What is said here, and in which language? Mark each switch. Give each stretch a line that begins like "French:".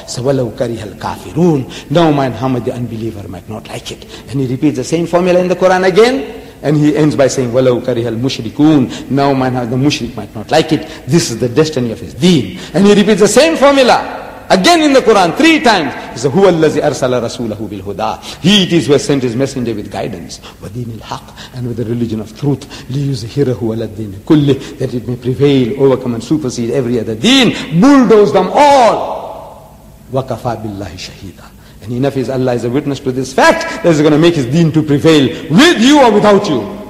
Arabic: سَوَلَوْ كَرِهَ الْكَافِرُونَ.
English: No mind how much the unbeliever might not like it. And he repeats the same formula in the Quran again. And he ends by saying,
Arabic: وَلَوْ كَرِهَ الْمُشْرِكُونَ.
English: Now mind how the mushrik might not like it. This is the destiny of his deen. And he repeats the same formula again in the Quran, three times. He says,
Arabic: هُوَ الَّذِي أَرْسَلَ رَسُولَهُ بِالْهُدَىٰ.
English: He it is who has sent his messenger with guidance,
Arabic: وَدِينِ الْحَقِّ,
English: and with the religion of truth,
Arabic: لِيُزْهِرَهُ عَلَى الدِّينِ كُلِّ,
English: that it may prevail, overcome and supersede every other deen, bulldoze them all.
Arabic: وَكَفَى بِاللَّهِ شَهِيدًا.
English: And enough is Allah is a witness to this fact that is going to make his deen to prevail with you or without you.